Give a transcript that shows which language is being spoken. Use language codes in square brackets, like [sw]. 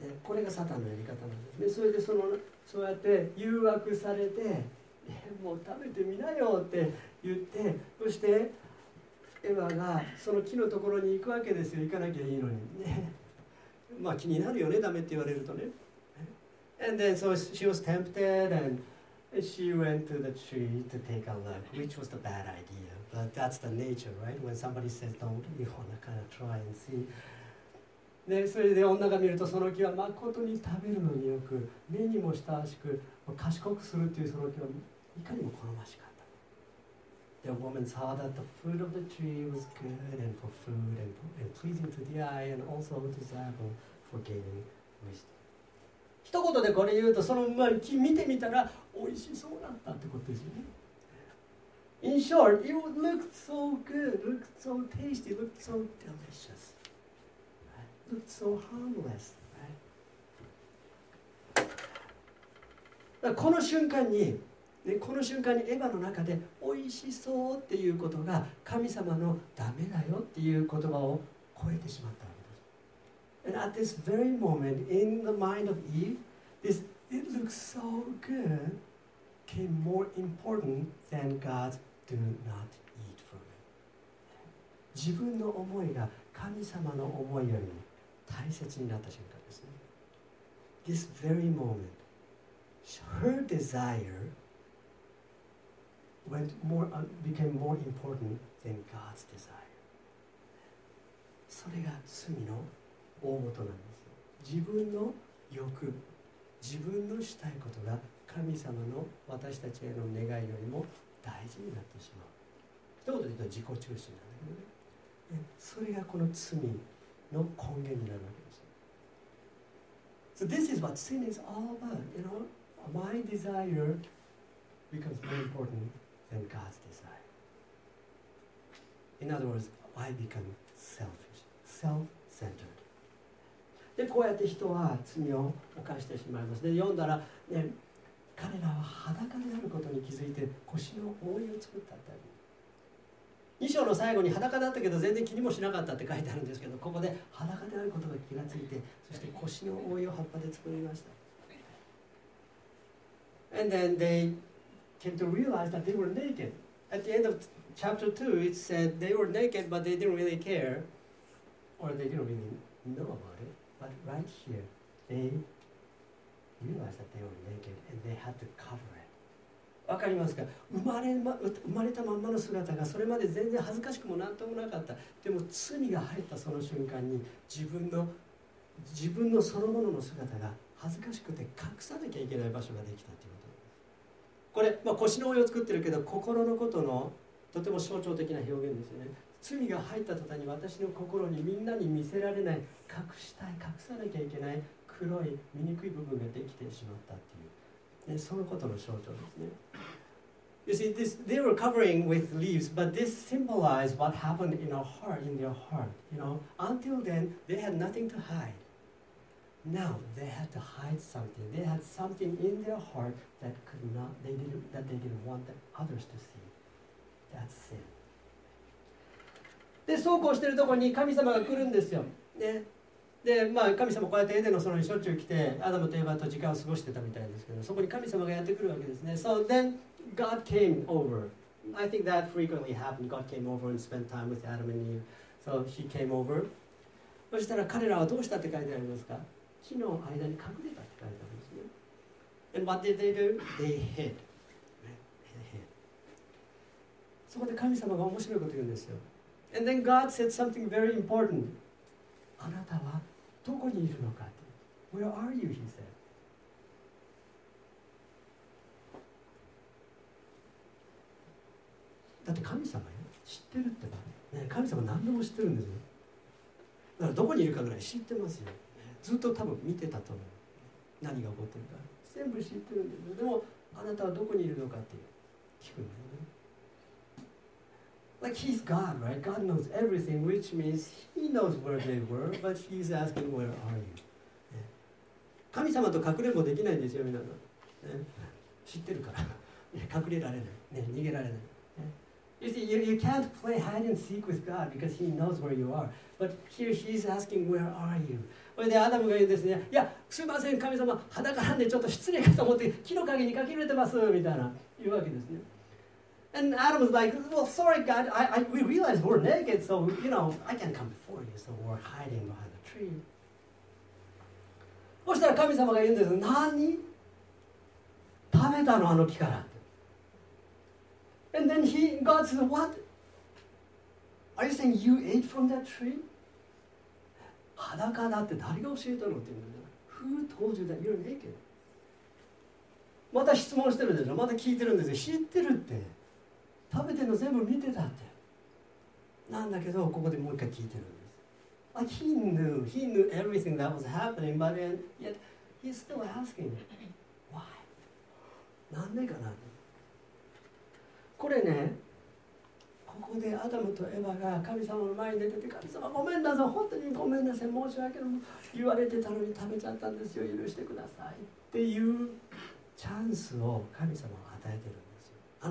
[ja] で、これがサタンのやり方なんですね。それでそのそうやって誘惑されて、もう食べてみなよって言って、そしてエヴァがその木のところに行くわけですよ。行かなきゃいいのにね。まあ気になるよね、ダメって言われるとね。 [en] And then so she was tempted andShe went to the tree to take a look, which was the bad idea. But that's the nature, right? When somebody says, don't, you wanna kind of try and see. [ja] で、それで女が見るとその木は誠に食べるのによく、目にも親しく、賢くするというその木はいかにも好ましかった。 [en] The woman saw that the fruit of the tree was good and for food and pleasing to the eye and also desirable for gaining wisdom. [ja] 一言でこれ言うと、その木見てみたら美味しそうだったってことですよね。 [en] In short, it would look so good, look so tasty, look so delicious, look so harmless. [ja] この瞬間に、ね、この瞬間にエヴァの中で美味しそうっていうことが神様のダメだよっていう言葉を超えてしまった。 [en] And at this very moment, in the mind of Eve, this "it looks so good" came more important than God's "do not eat from it." [ja] 自分の思いが神様の思いよりも大切になった瞬間ですね。 [en] This very moment, her desire went more, became more important than God's desire. [ja] それが罪の大元なんですよ。自分の欲、自分のしたいことが神様の私たちへの願いよりも大事になってしまう。一言で言うと自己中心なんだけどね。それがこの罪の根源になるわけですよ。 [en] So this is what sin is all about. You know, my desire becomes more important than God's desire. In other words, I become selfish, self-centered. [ja] でこうやって人は罪を犯してしまいます。で読んだら、ね、彼らは裸になることに気づいて腰の覆いを作ったってある。二章の最後に裸だったけど全然気にもしなかったって書いてあるんですけど、ここで裸であることが気がついて、そして腰の覆いを葉っぱで作りました。 [en] And then they came to realize that they were naked. At the end of chapter 2, it said they were naked, but they didn't really care, or they didn't really know about it. But right here, they realized that they were naked and they had to cover it. [ja] わかりますか？生まれたまんまの姿がそれまで全然恥ずかしくもなんともなかった。でも罪が入ったその瞬間に自分のそのものの姿が恥ずかしくて隠さなきゃいけない場所ができたということです。これ、まあ、腰の上を作ってるけど心のことのとても象徴的な表現ですよね。罪が入った途端に私の心にみんなに見せられない、隠したい、隠さなきゃいけない黒い醜い部分ができてしまったっていう、ね、そのことの象徴ですね。 [en] You see, this, they were covering with leaves, but this symbolized what happened in our heart, in their heart. You know, until then, they had nothing to hide. Now, they had to hide something. They had something in their heart that could not, they didn't, that they didn't want the others to see. That's sin. [ja] で、そうこうしてるところに神様が来るんですよ。で、まあ、神様こうやってエデンの園にしょっちゅう来て、アダムとエヴァと時間を過ごしてたみたいですけど、そこに神様がやってくるわけですね。 [en] So then God came over. I think that frequently happened. God came over and spent time with Adam and Eve. So he came over. [ja] そしたら彼らはどうしたって書いてありますか？木の間に隠れたって書いてあるんですね。 [en] And what did they do? They hid. [ja] そこで神様が面白いこと言うんですよ。 [en] And then God said something very important. [ja] あなたはどこにいるのかって。 [en] Where are you? He said. [ja] だって神様よ。知ってるってば、ね。神様何でも知ってるんですよ。だからどこにいるかぐらい知ってますよ。ずっと多分見てたと思う。何が起こってるか。全部知ってるんですよ。でもあなたはどこにいるのかって聞くんだよね。 [en] Like he's God, right? God knows everything, which means he knows where they were, but he's asking, where are you? [ja] 神様と隠れもできないんですよ、みんな。知ってるから。隠れられない。逃げられない。 [en] You see, you can't play hide and seek with God because He knows where you are. But here He's asking, where are you? [ja] それでアダムが言うんですね。いや、すいません、神様、裸なんでちょっと失礼かと思って木の陰に隠れてますみたいな言うわけですね。 [en] And Adam was like, well, sorry, God, we realize we're naked, so, you know, I can't come before you, so we're hiding behind the tree. [ja] そしたら神様が言うんです。何？食べたの、あの木から。 [en] And then God says, what? Are you saying you ate from that tree? [ja] 裸だって誰が教えたのって言うんだよ。 [en] Who told you that you're naked? [ja] また質問してるんですよ。また聞いてるんですよ。知ってるって。食べてるの全部見てたって。なんだけど、ここでもう一回聞いてるんです。 [en] Like、he knew everything that was happening, but then, yet he's still asking, why? [ja] なんでかな。これね、ここでアダムとエヴァが神様の前に出てて、神様ごめんなさい、本当にごめんなさい、申し訳ない、言われてたのに食べちゃったんですよ、許してくださいっていうチャンスを神様は与えてるんですよ。